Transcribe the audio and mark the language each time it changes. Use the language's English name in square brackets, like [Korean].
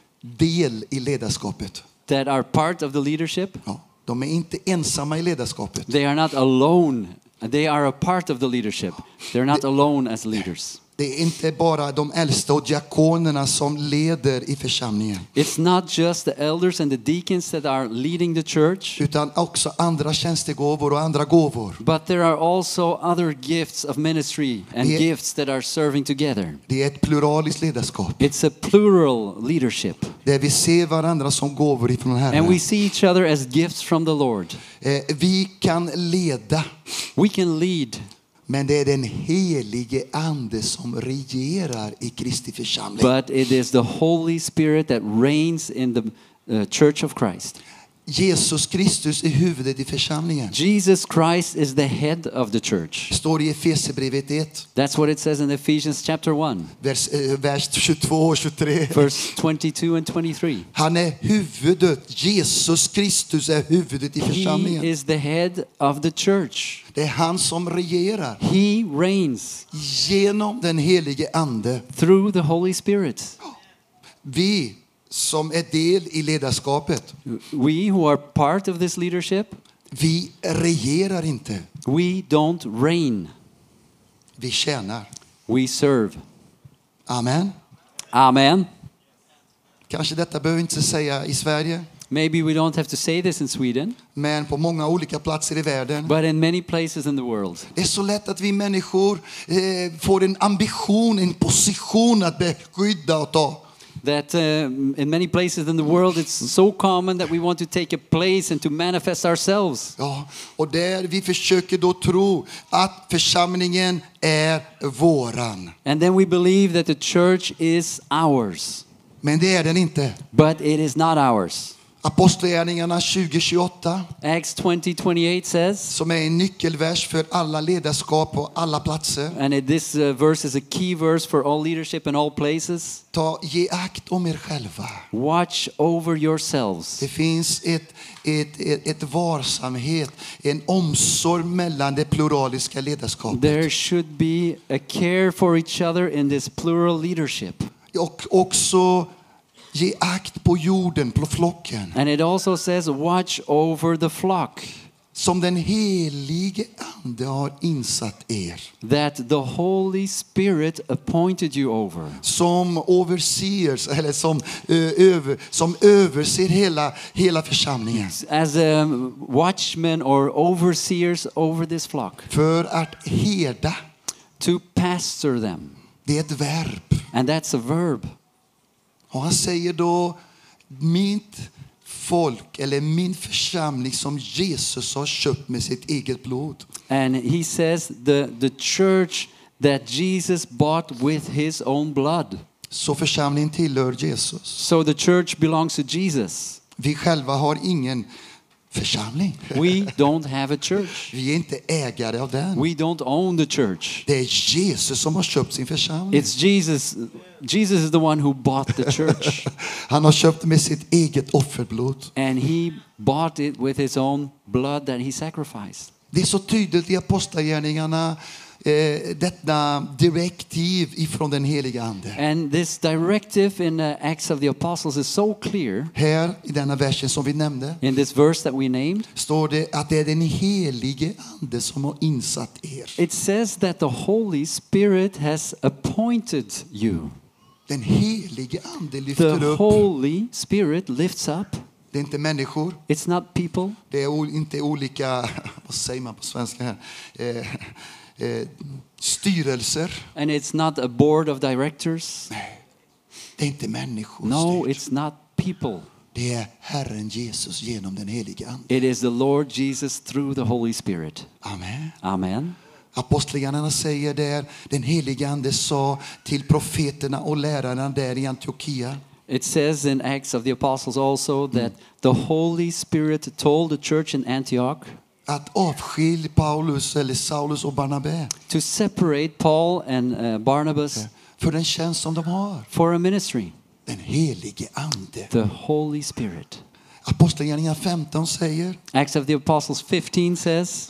[Swedish] del i ledarskapet. [English] That are part of the leadership. [Swedish] Ja, de är inte ensamma i ledarskapet. [English] They are not alone. They are a part of the leadership. They're not alone as leaders. [Swedish] Det är inte bara de äldste och diakonerna som leder i församlingen. [English] It's not just the elders and the deacons that are leading the church. [Swedish] Utan också andra tjänstegåvor och andra gåvor. [English] But there are also other gifts of ministry and gifts that are serving together. [Swedish] Det är ett pluraliskt ledarskap. [English] It's a plural leadership. [Swedish] Där vi ser varandra som gåvor ifrån Herren. [English] And we see each other as gifts from the Lord. [Swedish] Vi kan leda. [English] We can lead. [Swedish] Men det är den helige ande som regerar i Kristi församling. [English] But it is the Holy Spirit that reigns in the church of Christ. [Swedish] Jesus Kristus är huvudet i församlingen. [English] Jesus Christ is the head of the church. [Swedish] Står i Efesierbrevet 1. [English] That's what it says in Ephesians chapter 1. [Swedish] Vers 22 och 23. [English] Verse 22 and 23. [Swedish] Han är huvudet. Jesus Kristus är huvudet i församlingen. [English] He is the head of the church. [Swedish] Det är han som regerar. [English] He reigns. [Swedish] Genom den helige ande. [English] Through the Holy Spirit. [Swedish] Vi som är del i ledarskapet. [English] We who are part of this leadership. [Swedish] Vi regerar inte. [English] We don't reign. [Swedish] Vi tjänar. [English] We serve. [Swedish] Amen. [English] Amen. [Swedish] Kanske detta behöver inte säga i Sverige. [English] Maybe we don't have to say this in Sweden. [Swedish] Men på många olika platser i världen. [English] But in many places in the world. [Swedish] Det är så lätt att vi människor får en ambition, en position att beskydda och ta. [English] That in many places in the world it's so common that we want to take a place and to manifest ourselves. [Swedish] Ja, och där vi försöker då tro att församlingen är våran. [English] And then we believe that the church is ours. [Swedish] Men det är den inte. [English] But it is not ours. [Swedish] Apostlagärningarna 20:28. [English] Acts 20:28 says. [Swedish] Som är en nyckelvers för alla ledarskap på alla platser. [English] And this verse is a key verse for all leadership in all places. [Swedish] Ta ge akt om er själva. [English] Watch over yourselves. [Swedish] Det finns ett varsamhet, en omsorg mellan det pluraliska ledarskapet. [English] There should be a care for each other in this plural leadership. [Swedish] Och också ge akt på jorden, på flocken. [English] And it also says watch over the flock. [Swedish] Som den helige ande. ande har insatt er. [English] That the Holy Spirit appointed you over. [Swedish] Som överser eller som över som överser hela församlingen. [English] As a watchman or overseers over this flock. [Swedish] För att herda. [English] To pastor them. [Swedish] Det är ett verb. [English] And that's a verb. [Swedish] Och han säger då mitt folk eller min församling som Jesus har köpt med sitt eget blod. [English] And he says the church that Jesus bought with his own blood. [Swedish] Så församlingen tillhör Jesus. [English] So the church belongs to Jesus. [Swedish] Vi själva har ingen församling. [English] We don't have a church. [Swedish] Vi är inte ägare av den. [English] We don't own the church. [Swedish] Det är Jesus som har köpt sin församling. [English] It's Jesus. Jesus is the one who bought the church. [Swedish] Han har köpt med sitt eget offerblod. [English] And he bought it with his own blood that he sacrificed. [Swedish] Det är så tydligt i apostlagärningarna detta direktiv ifrån den heliga ande. [English] And this directive in the Acts of the Apostles is so clear. [Swedish] Här i denna versen som vi nämnde. [English] In this verse that we named. [Swedish] Står det att det är den helige ande som har insatt er. [English] It says that the Holy Spirit has appointed you. [Swedish] Den helige ande lyfter upp. [English] The Holy Spirit lifts up. [Swedish] Det är inte människor. [English] It's not people. [Swedish] Det är inte olika, vad säger man på svenska här? Styrelser. [English] And it's not a board of directors. [Swedish] Det är inte människor. [English] No, it's not people. [Swedish] Det är Herren Jesus genom den helige ande. [English] It is the Lord Jesus through the Holy Spirit. [Swedish] Amen. [English] Amen. [Swedish] Apostlagärningarna säger där, den helige ande sa till profeterna och lärarna där i Antiochia. [English] It says in Acts of the Apostles also that the Holy Spirit told the church in Antioch [Swedish] att avskilja Paulus eller Saulus och Barnabas. [English] To separate Paul and Barnabas [Swedish] för den tjänst som de har. [English] For a ministry. [Swedish] Den helige ande. [English] The Holy Spirit. [Swedish] Apostlagärningarna 15 säger [English] Acts of the Apostles 15 says